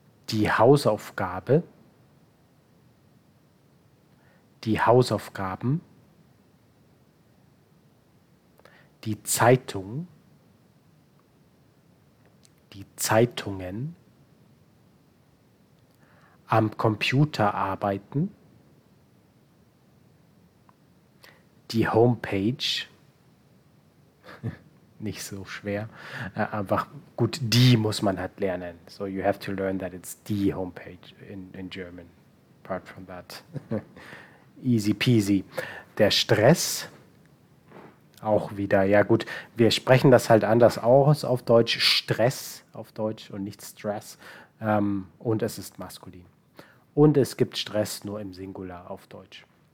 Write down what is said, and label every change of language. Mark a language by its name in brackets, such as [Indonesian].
[German] Die Hausaufgabe, die Hausaufgaben, die Zeitung, die Zeitungen, am Computer arbeiten, die Homepage, nicht so schwer, einfach gut, die muss man halt lernen. [English] So you have to learn that it's die Homepage in German. Apart from that. Easy peasy. [German] Der Stress, auch wieder, ja gut, wir sprechen das halt anders aus auf Deutsch. Stress auf Deutsch und nicht Stress. Und es ist maskulin. Und es gibt Stress nur im Singular auf Deutsch.